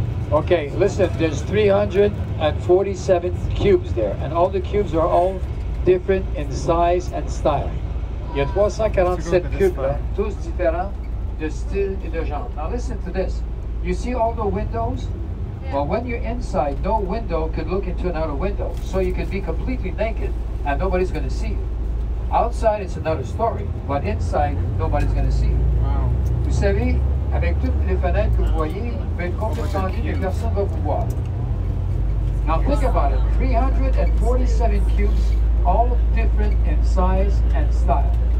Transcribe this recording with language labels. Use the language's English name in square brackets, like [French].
[English] Okay, listen, there's 347 cubes there, and all the cubes are all different in size and style. [French] Il y a 347 cubes, tous différents de style et de genre. [English] Now listen to this. You see all the windows? Well, when you're inside, no window could look into another window, so you can be completely naked and nobody's going to see you. Outside, it's another story, but inside, nobody's going to see you. Wow. [French] Vous savez, avec toutes les fenêtres que vous voyez, vous êtes complètement nu et personne ne va vous voir. [English] Now think about it, 347 cubes, all different in size and style.